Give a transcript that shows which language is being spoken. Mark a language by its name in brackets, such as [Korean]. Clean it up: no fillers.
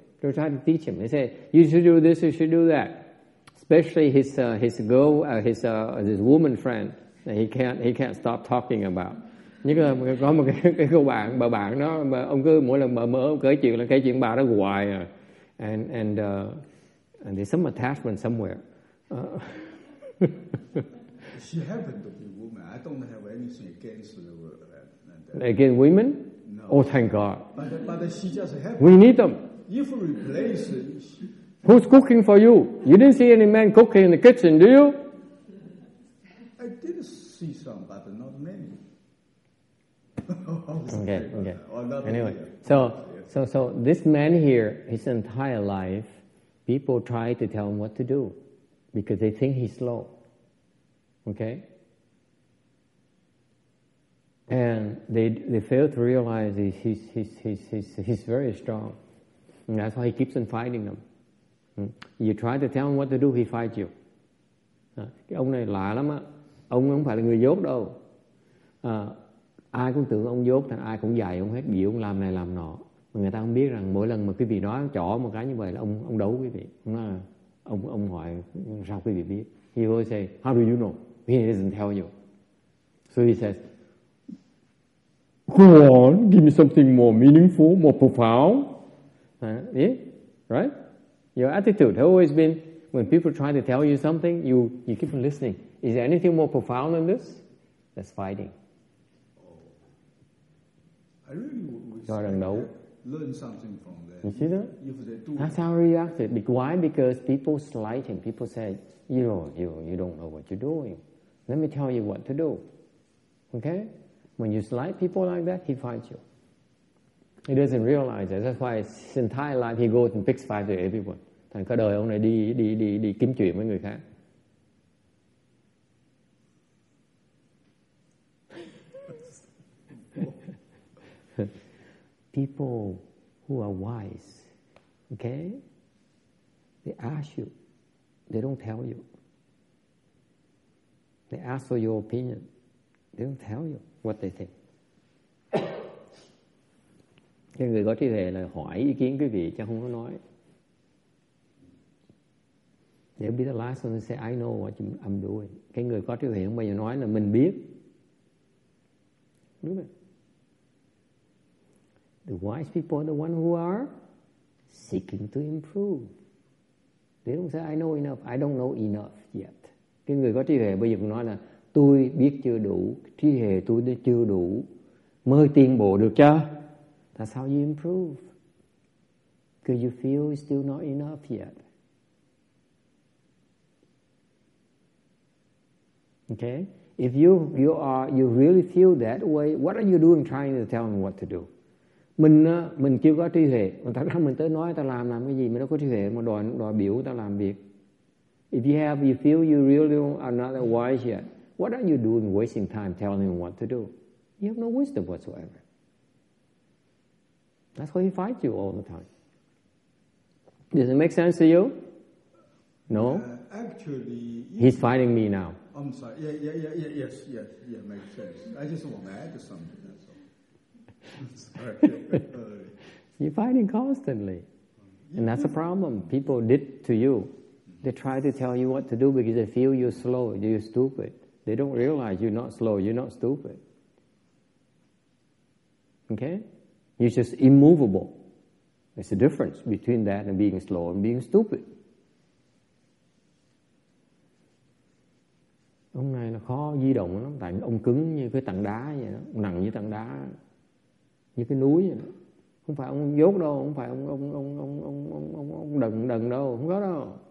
[English] They try to teach him. They say, you should do this, you should do that. Especially his woman friend that he can't stop talking about. [Vietnamese] Nhưng mà có một cái cô bạn, bà bạn đó, mà ông cứ mỗi lần bà mở, ông kể chuyện là kể chuyện bà đó hoài à. [English] And there's some attachment somewhere. She happened to be a woman. I don't have anything against the word. Against women? No. Oh, thank God. But she just happened. We need them. If we replace it. Who's cooking for you? You didn't see any man cooking in the kitchen, do you? I did see some, but not many. Okay. Anyway, so this man here, his entire life, people try to tell him what to do because they think he's slow. Okay? And they fail to realize he's very strong. And that's why he keeps on fighting them. You try to tell him what to do, he fights you. [Vietnamese] Cái ông này lạ lắm á. Ông không phải là người dốt đâu. Ai cũng tưởng ông dốt, thằng ai cũng dạy ông hết, bị ông làm này làm nọ. Mà người ta không biết rằng mỗi lần mà quý vị nói chỏ một cái như vậy là ông đấu quý vị. Ông hỏi sao quý vị biết. [English] He always say, how do you know? He doesn't tell you. So he says, go on, give me something more meaningful, more profound. Yeah? Right? Your attitude has always been, when people try to tell you something, you keep on listening. Is there anything more profound than this? That's fighting. I really would say learn something from them. You see that? That's how he reacted. Why? Because people slight him. People say, you don't know what you're doing. Let me tell you what to do. Okay? When you slight people like that, he fights you. He doesn't realize that. That's why his entire life he goes and picks fights with everyone. [Vietnamese] Thành cả đời ông này đi kiếm chuyện với người khác. [English] People who are wise, okay? They ask you. They don't tell you. They ask for your opinion. They don't tell you what they think. [Vietnamese] Cái người có trí tuệ là hỏi ý kiến quý vị chứ không có nói. [English] They'll be the last one to say, I know what I'm doing. [Vietnamese] Cái người có trí tuệ không bao giờ nói là mình biết. Đúng không? [English] The wise people are the ones who are seeking to improve. They don't say, I know enough. I don't know enough yet. [Vietnamese] Cái người có trí hệ bây giờ cũng nói là tôi biết chưa đủ, trí hệ tôi chưa đủ, mới tiến bộ được chứ. [English] That's how you improve. Because you feel it's still not enough yet. Okay? If you really feel that way, what are you doing trying to tell them what to do? [Vietnamese] Mình chưa có trí huệ. Thật ra mình tới nói tao làm cái gì mà nó có trí huệ mà đòi biểu tao làm việc. [English] If you have, you feel you really are not that wise yet, what are you doing wasting time telling him what to do? You have no wisdom whatsoever. That's why he fights you all the time. Does it make sense to you? No? Actually, he's fighting me now. I'm sorry. Yeah, makes sense. I just want to add something. You're fighting constantly. And that's a problem. People did to you. They try to tell you what to do because they feel you're slow, you're stupid. They don't realize you're not slow, you're not stupid. Okay? You're just immovable. There's a difference between that and being slow and being stupid. [Vietnamese] Ông này nó khó di động lắm, tại ông cứng như cái tảng đá vậy đó, ông nặng như tảng đá, như cái núi vậy đó. Không phải ông dốt đâu, không phải ông đần đần đâu, không có đâu.